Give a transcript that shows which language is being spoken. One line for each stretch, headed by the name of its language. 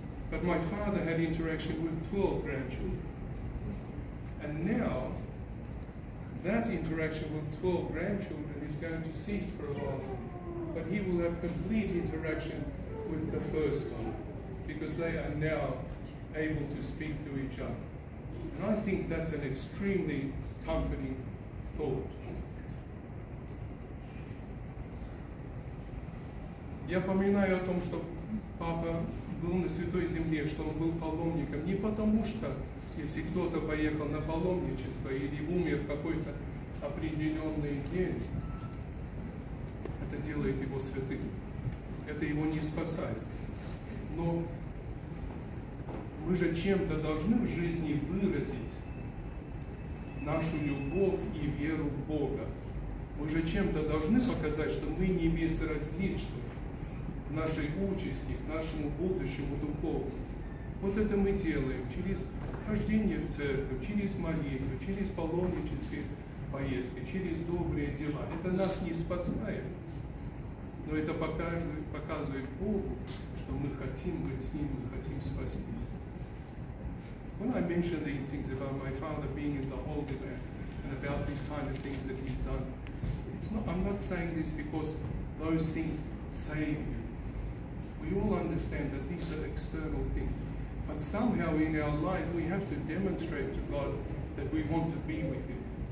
English: But my father had interaction with 12 grandchildren. And now, that interaction with 12 grandchildren is going to cease for a while, but he will have complete interaction with the first one, because they are now able to speak to each other. And I think that's an extremely comforting thought.
Russian: Я вспоминаю о том, что папа был на Святой Земле, что он был паломником. Не потому что, если кто-то поехал на паломничество или умер в какой-то определенный день, это делает его святым. Это его не спасает. Но мы же чем-то должны в жизни выразить нашу любовь и веру в Бога. Мы же чем-то должны показать, что мы не безразличны к нашей участи, к нашему будущему духовному. Вот это мы делаем через хождение в церковь, через молитву, через паломнические поездки, через добрые дела. Это нас не спасает, но это показывает Богу, что мы хотим быть с Ним, мы хотим спастись.
English: When I mention these things about my father being in the holy land and about these kind of things that he's done, I'm not saying this because those things save you. We all understand that these are external things. But somehow in our life we have to demonstrate to God that we want to be with Him.